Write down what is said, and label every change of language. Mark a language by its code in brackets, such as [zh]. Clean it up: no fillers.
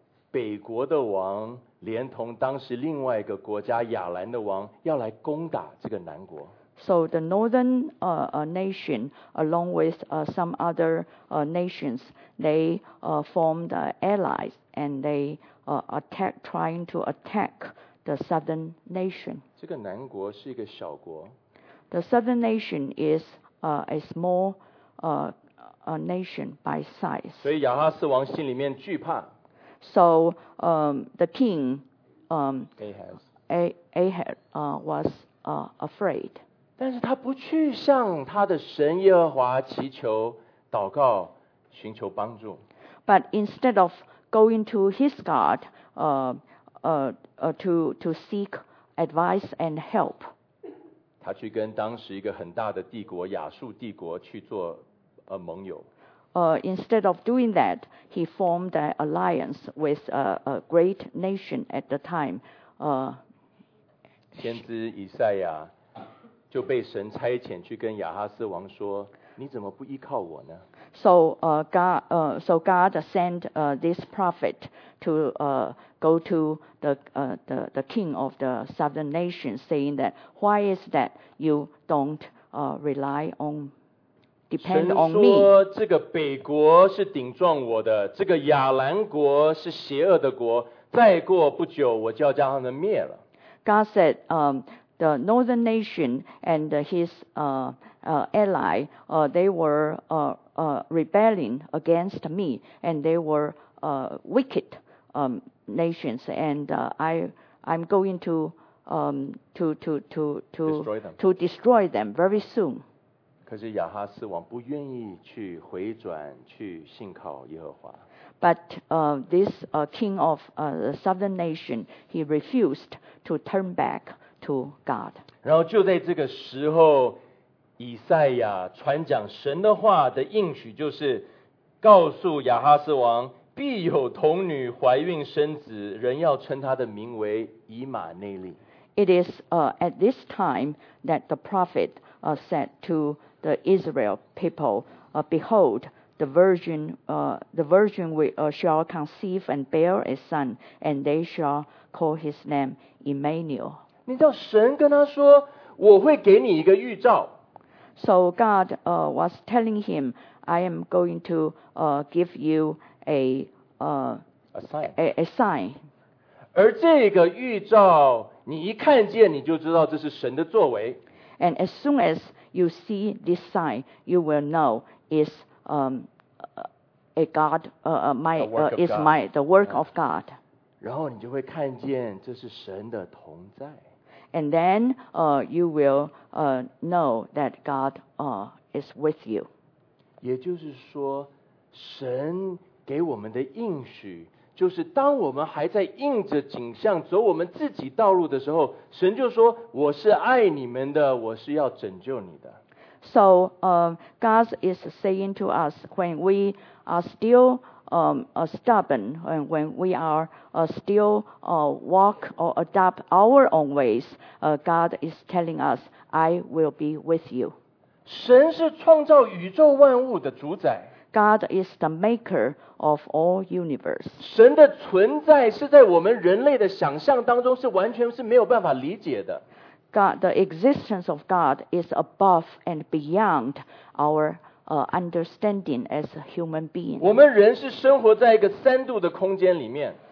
[zh] 北国的王连同当时另外一个国家亚兰的王要来攻打这个南国。 [en] So the northern nation, along with some other nations, they formed allies and they trying to attack the southern nation. [zh] 这个南国是一个小国。 [en] The southern nation is a small nation by size. [zh] 所以亚哈斯王心里面惧怕。 [en] So the king Ahaz was afraid. [zh] 但是他不去向他的神耶和华祈求祷告寻求帮助。 [en] But instead of going to his God, to seek advice and help, [zh] 他去跟当时一个很大的帝国亚述帝国去做盟友。 [en] Instead of doing that, he formed an alliance with a great nation at the time. [zh] 先知以赛亚就被神差遣去跟亚哈斯王说，你怎么不依靠我呢？ [en] So God sent this prophet to go to the king of the southern nation, saying that why is that you don't depend on me? [zh] 神说这个北国是顶撞我的，这个亚兰国是邪恶的国，再过不久我就要将他们灭了。 [en] God said, the northern nation and his ally, they were rebelling against me, and they were wicked nations, and I'm going to destroy them very soon. [zh] 可是亚哈斯王不愿意去回转去信靠耶和华。 [en] But this king of the southern nation, he refused to turn back. To God. [zh] 然后就在这个时候，以赛亚传讲神的话的应许，就是告诉亚哈斯王，必有童女怀孕生子，人要称他的名为以马内利。 [en] It is at this time that the prophet said to the Israel people, behold, the virgin shall conceive and bear a son, and they shall call his name Emmanuel. [zh] 你知道神跟他说，我会给你一个预兆。 [en] So God was telling him, I am going to give you a sign. [zh] 而这个预兆，你一看见你就知道这是神的作为。 [en] And as soon as you see this sign, you will know it's a God, the work of God. [zh] 然后你就会看见这是神的同在。 [en] And then you will know that God is with you. [zh] 也就是说，神给我们的应许，就是当我们还在应着景象，走我们自己道路的时候，神就说，我是爱你们的，我是要拯救你的。 [en] So God is saying to us, when we are still stubborn, and when we are still walk or adopt our own ways, God is telling us, I will be with you. [zh] 神是创造宇宙万物的主宰。 [en] God is the maker of all universe. [zh] 神的存在是在我们人类的想象当中是完全是没有办法理解的。 [en] God, the existence of God is above and beyond our understanding as a human being. [zh] 我们人是生活在一个三度的空间里面。